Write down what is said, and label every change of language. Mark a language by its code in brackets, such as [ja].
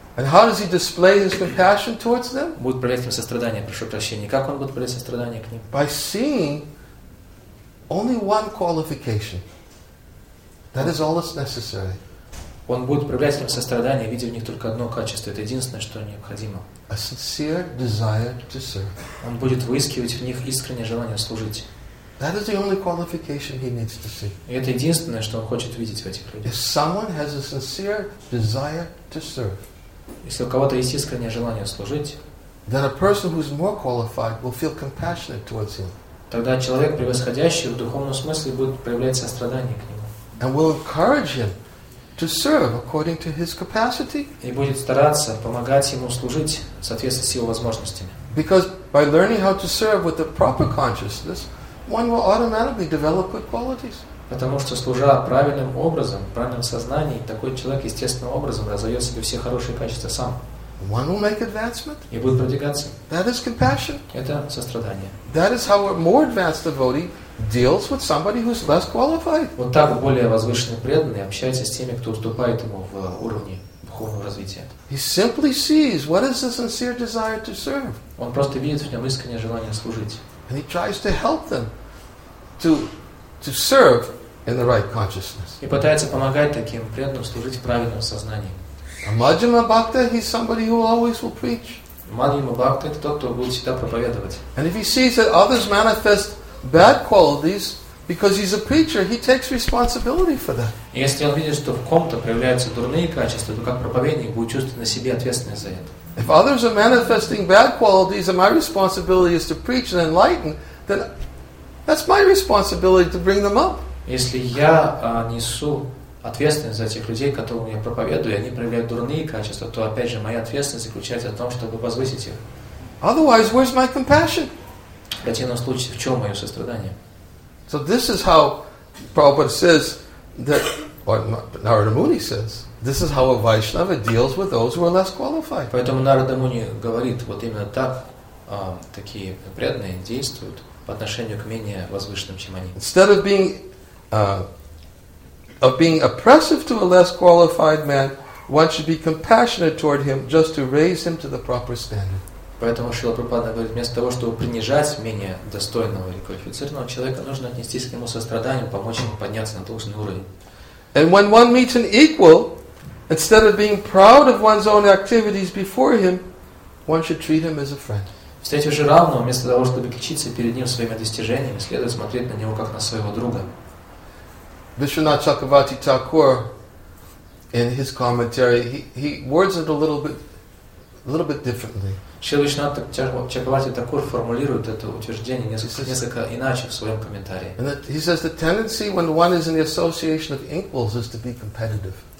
[en] And how does he display his compassion towards them? [ru] Будет проявлять им сострадание, прошу прощения. Как он будет проявлять сострадание к ним? [en] By seeing only one qualification. That is all that's necessary. [ru] Он будет проявлять им сострадание, видя в них только одно качество. Это единственное, что необходимо. [en] A sincere desire to serve. [ru] Он будет выискивать в них искреннее желание служить. [en] That is the only qualification he needs to see. [ru] И это единственное, что он хочет видеть в этих людях. [en] If someone has a sincere desire to serve, [ru] если у кого-то есть искреннее желание служить, [en] then a person who is more qualified will feel compassionate towards him. [ru] Тогда человек, превосходящий в духовном смысле, будет проявлять сострадание к нему. [en] And will encourage him to serve according to his capacity. [ru] И будет стараться помогать ему служить в соответствии с его возможностями. [en] Because by learning how to serve with the proper consciousness, one will automatically develop good qualities. [ru] Потому что служа правильным образом, правильным сознанием, такой человек естественным образом разовьет себе все хорошие качества сам. [en] One will make advancement. [ru] И будет продвигаться. [en] That is compassion. [ru] Это сострадание. [en] That is how a more advanced devotee deals with somebody who's less qualified. [ru] Вот так более возвышенный преданный общается с теми, кто уступает ему в уровне духовного развития. [en] He simply sees what is the sincere desire to serve. [ru] Он просто видит в нем искреннее желание служить. [en] And he tries to help them to serve in the right consciousness. [ru] И пытается помогать таким преданным служить в правильном сознании. [en] A Madhyama Bhakta, he's somebody who always will preach. [ru] Madhyama Bhakta – это тот, кто будет всегда проповедовать. [en] And if he sees that others manifest bad qualities because he's a preacher, he takes responsibility for that. [ru] Если он видит, что в ком-то проявляются дурные качества, то как проповедник будет чувствовать на себе ответственность за это. [en] If others are manifesting bad qualities and my responsibility is to preach and enlighten, then that's my responsibility to bring them up. [ru] Если я несу ответственность за тех людей, которым я проповедую, и они проявляют дурные качества, то опять же моя ответственность заключается в том, чтобы возвысить их. [en] Otherwise, where's my compassion? [ru] В противном случае, в чем мое сострадание? [en] So this is how Prabhupada says that, or Narada Muni says, This is how a Vaishnava deals with those who are less qualified. [ru] Поэтому Нарада Муни говорит, вот именно так такие преданные действуют по отношению к менее возвышенным, чем они. [en] Instead of being oppressive to a less qualified man, one should be compassionate toward him just to raise him to the proper standard. [ru] Поэтому Шрила Прабхупада говорит, вместо того, чтобы принижать менее достойного и квалифицированного человека, нужно отнестись к нему со страданием, помочь ему подняться на должный уровень. [en] And when one meets an equal, instead of being proud of one's own activities before him, one should treat him as a friend. [ru] Встретив же равного, вместо того, чтобы кичиться перед ним своими достижениями, следует смотреть на него как на своего друга. [en] Вишванат Чакравати Такур, in his commentary, he words it a little bit differently. [ru] Шрила Вишванат Чакравати Такур формулирует это утверждение несколько иначе в своем комментарии. [en] And that, he says the tendency when one is in the association of equals is to be competitive.